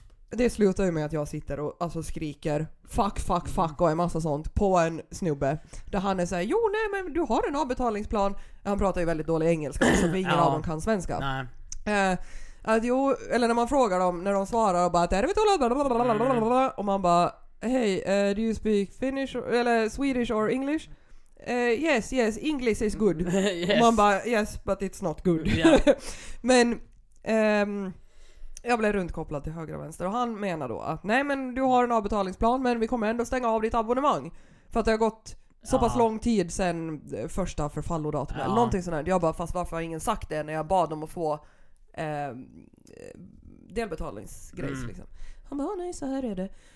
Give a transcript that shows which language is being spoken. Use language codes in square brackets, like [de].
[sv] Det slutar ju med att jag sitter och alltså skriker fuck och en massa sånt på en snubbe. Där han är såhär, jo nej, men du har en avbetalningsplan. Han pratar ju väldigt dålig engelska, så ingen av dem kan svenska. Nej. Att jo, eller när man frågar dem, när de svarar och bara, är vi tolade? Och man bara, [en] hey, do you speak Finnish [sv] eller [en] Swedish or English? Yes, English is good. Yes. [sv] Man bara, [en] yes, but it's not good. Yeah. [sv] Men jag blev runtkopplad till höger och vänster, och han menar då att nej, men du har en avbetalningsplan, men vi kommer ändå stänga av ditt abonnemang för att det har gått så pass lång tid sen första förfallodatum eller någonting sånt där. Jag bara, fast varför har ingen sagt det när jag bad dem att få delbetalningsgrejs liksom. Han bara, nej, så här är det.